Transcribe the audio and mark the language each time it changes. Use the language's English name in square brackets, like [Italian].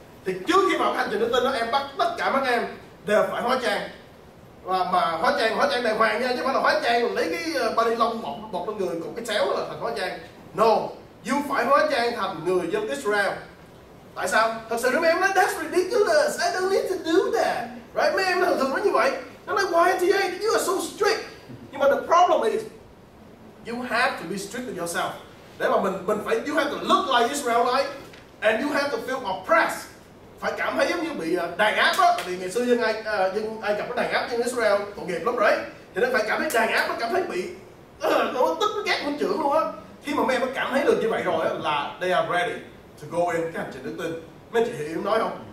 [Vietnamese] Thì trước khi vào hành trình đức tin đó, em bắt tất cả mấy em đều phải hóa trang, và mà hóa trang đàng hoàng nha, chứ không phải là hóa trang lấy cái body lông bọc lên người cùng cái xéo là thành hóa trang. [English] No, you [Vietnamese] phải hóa trang thành người dân Israel. Tại sao? Thật sự mấy em nói [English] that's ridiculous, I don't need to do that, right? [Vietnamese] Mấy em nói thật nó như vậy, nó nói YTA, [English] you are so strict. [Vietnamese] Nhưng mà [English] the problem is you have to be strict with yourself. [Vietnamese] Để mà mình phải, [English] you have to look like Israelite and you have to feel oppressed. [Vietnamese] Phải cảm thấy giống như bị đàn áp á, tại vì ngày xưa dân Ai Cập có đàn áp dân Israel tội nghiệp lắm rồi. Thì nó phải cảm thấy đàn áp, nó cảm thấy bị nó tức, nó ghét, nó chửi luôn á. Khi mà mấy em cảm thấy được như vậy rồi á, là [English] they are ready to go in [Vietnamese] cái hành trình đức tin. Mấy chị hiểu em nói không?